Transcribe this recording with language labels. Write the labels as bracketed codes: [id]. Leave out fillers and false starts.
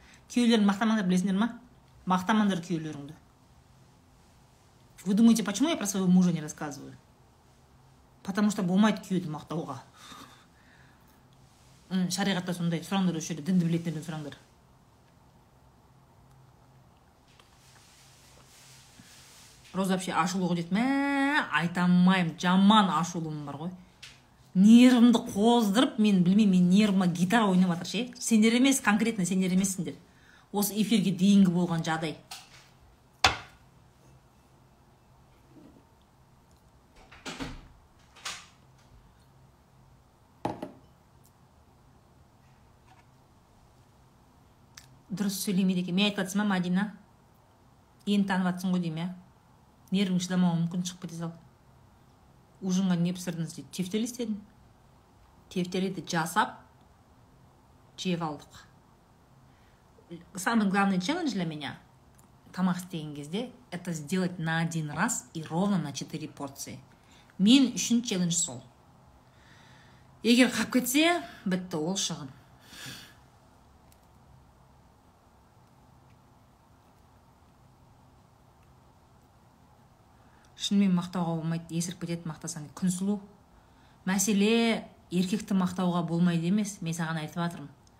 [kk] Күйеулерін мақтамаңдар білесіңдер ма? Мақтамаңдар күйеулеріңді. [ru] Вы думаете, почему я про своего мужа не рассказываю? Потому что [kk] болмайды күйеуді мақтауға. Шариғатта сондай сұраңдар осы жерде, дінді білетіндерден сұраңдар. Роза вообще ашулы ғой дейді. Мә, айта алмаймын, жаман ашулым бар ғой. Нервімді қоздырып, мен білмеймін, мен нервіме гитара ойнап жатыр ше. Сендер емес, конкретно сендер емессіңдер. Осы эфирге дейінгі болған жағдай. Дұрыс сөйлемейді екен. Мен айтып жатсам, Мадина, енді танып жатсың ғой деймін, ә? Нервің шыдамауы мүмкін, шығып кете сал. Ужынға не пісірдіңіз дейді? Тефтерлі істедім. Тефтерлі жасап, жеп алдық. [ru] Самый главный челлендж для меня, [kk] тамақ істеген кезде, [ru] это сделать на один раз и ровно на 4 порции. [kk] Мен үшін челлендж сол. Егер қап кетсе, бітті ол шығын. Шынмен мақтауға болмайды, есіріп кетеді мақтасаң. Күнсұлу, мәселе еркекті мақтауға болмайды емес, мен саған айтып жатырмын.